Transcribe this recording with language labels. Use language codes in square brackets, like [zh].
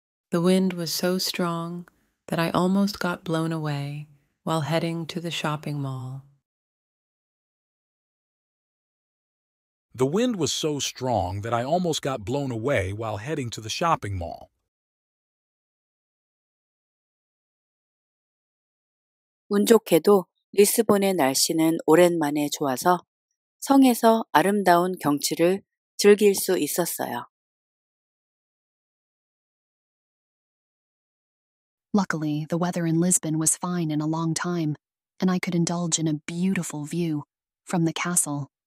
[en] The wind was so strong that I almost got blown away while heading to the shopping mall. The wind was so strong that I almost got blown away while heading to the shopping mall. � [ko] 운 좋게도 리스본의 날씨는 오랜만에 좋아서 성에서 아름다운 경치를 즐길 수 있었어요. [en] Luckily, the weather in Lisbon was fine in a long time, and I could indulge in a beautiful view from the castle.